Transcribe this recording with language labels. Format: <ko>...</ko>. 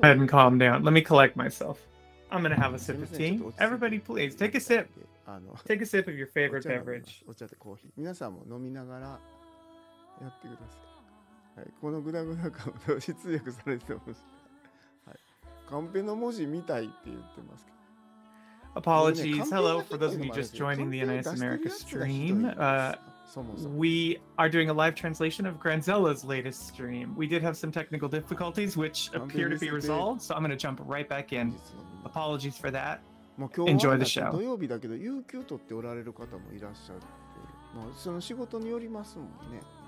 <en>Go ahead and calm down. Let me collect myself. I'm gonna have a sip of tea. Everybody, please, take a sip. Take a sip of your favorite beverage.</en> <ja>お茶とコーヒー。皆さんも飲みながらやってください。はい、このグダグダ感同時通訳されてます、はい、カンペの文字見たいって言ってますけど、</ja> <en>Apologies、ね、Hello for those of you just joining the NIS America stream、</en> <ja>そもそも</ja> <en>We are doing a live translation of Granzella's latest stream. We did have some technical difficulties which appear to be resolved, so I'm going to jump right back in. Apologies for that. Enjoy the show.</en> <ja>土曜日だけど有給取っておられる方もいらっしゃるって、まあ、その仕事によりますもんね。</ja>